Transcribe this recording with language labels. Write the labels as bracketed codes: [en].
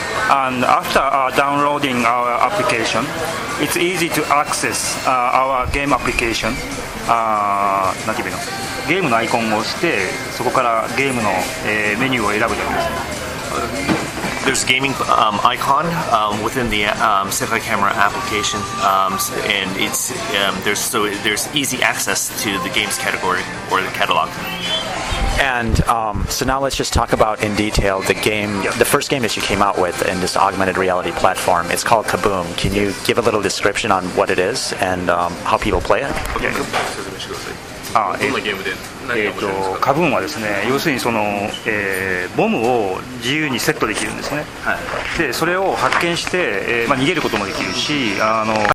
[en] And after downloading our application, it's easy to access our game application. [ja] ゲームのアイコンを押して、そこからゲームの、メニューを選ぶだけです。 [en] There's a gaming icon within the Sci-Fi Camera application, and it's there's easy access to the games category or the catalog. And so now let's just talk about in detail the game, the first game that you came out with in this augmented reality platform. It's called Kaboom. Can you give a little description on what it is and how people play it? [ja] Kaboom はですね、要するにその、ボムを自由にセットできるんですね。はい、で、それを発見して、まあ、逃げることもできるし、あの、